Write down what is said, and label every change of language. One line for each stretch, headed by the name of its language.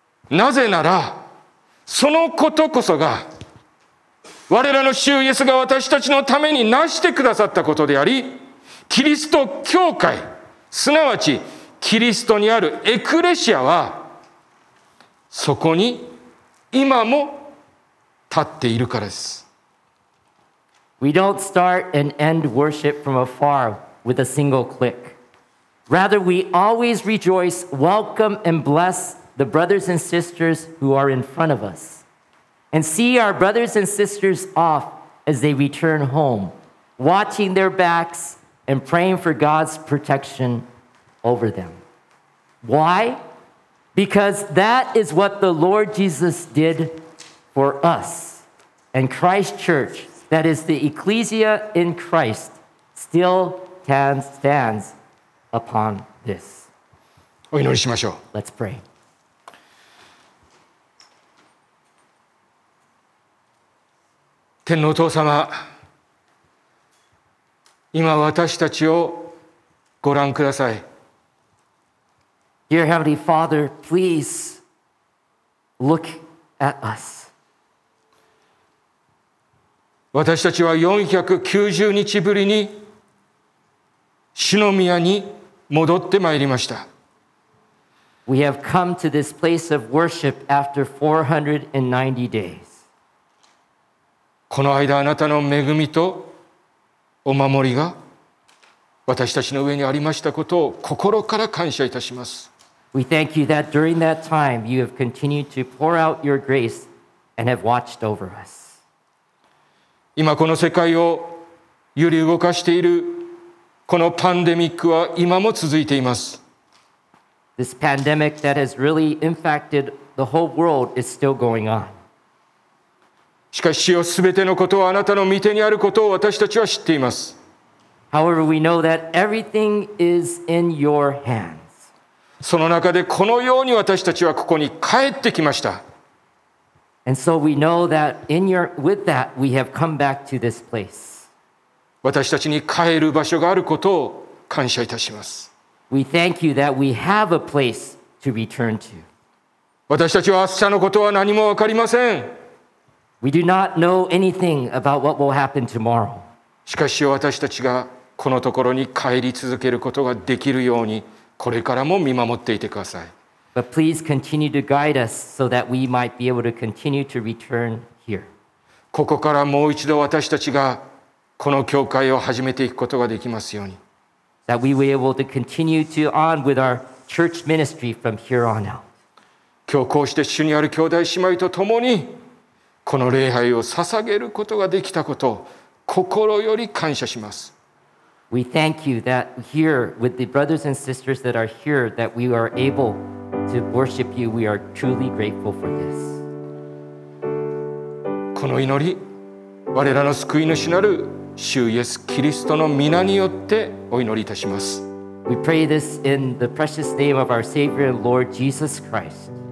Japanese: なぜなら、そのことこそが我らの主イエスが私たちのためになしてくださったことであり、キリスト教会、すなわちキリストにあるエクレシアはそこに今も立っているからです。
English: We don't start and end worship from afar with a single click. Rather, we always rejoice, welcome, and bless the brothers and sisters who are in front of us, and see our brothers and sisters off as they return home, watching their backs and praying for God's protection over them. Why? Because that is what the Lord Jesus did for us, and Christ Church, that is the Ecclesia in Christ, still stands upon this.
Japanese: お祈りしましょう。
English: Let's pray.
Japanese: 天のお父様、今私たちをご覧ください。
English: Dear Heavenly Father, please look at us.
Japanese: 私たちは490日ぶりに主の宮に戻ってまいりました。
English: We have come to this place of worship after 490 days.
Japanese: この間あなたの恵みとお守りが私たちの上にありましたことを心から感謝いたします。
English: We thank you that during that time you have continued to pour out your grace and have watched over us.
Japanese: 今この世界を揺り動かしているこのパンデミックは今も続いています。
English: This pandemic that has really impacted the whole world is still going on.
Japanese: しかし主よ、すべてのことはあなたの御手にあることを私たちは知っています。
English: However, we know that everything is in your hands.
Japanese: その中でこのように私たちはここに帰ってきました。
English: And so we know that in your, with that, we have come back to this place.
Japanese: 私たちに帰る場所があることを感謝いたします。
English: We thank you that we have a place to return to.
Japanese: 私たちは明日のことは何もわかりません。
English: We do not know anything about what will happen tomorrow.
Japanese: しかし私たちがこのところに帰り続けることができるようにこれからも見守っていてください。
English: But please continue to guide us so that we might be able to continue to return here.
Japanese: ここからもう一度私たちがこの教会を始めていくことができますように。
English: That we will be able to continue to on with our church ministry from here on out.
Japanese: 今日こうして主にある兄弟姉妹とともにこの礼拝を捧げることができたことを心より感謝します。
English: We thank you that here with the brothers and sisters that are here that we are able to worship you. We are truly grateful for this.
Japanese: この祈り、我らの救い主なる主イエス・キリストの御名によってお祈りいたします。
English: We pray this in the precious name of our Savior and Lord Jesus Christ.